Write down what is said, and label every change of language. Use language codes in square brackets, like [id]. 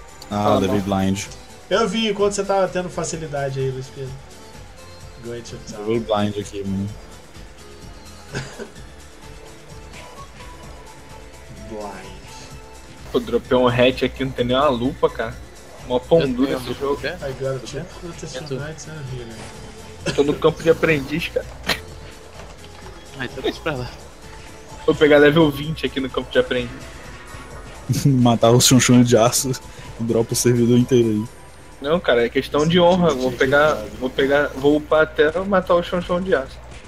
[pt] Ah, eu levei blind. Eu vi enquanto você tava tendo facilidade aí, Luiz Pedro. [en] Going to town. [pt] Levei blind aqui, mano. Blind. Pô, dropei um hatch aqui, não tem nem uma lupa, cara. Mó pão duro esse jogo. [en] I got a champion of the Knights and Healer. [pt] Tô no campo de aprendiz, cara. Ah, então deixa pra lá. Vou pegar level 20 aqui no campo de aprendiz. Matar os chunchões de aço. Dropa o servidor inteiro aí. Não, cara, é questão de honra. Vou upar até matar o chonchon de aço.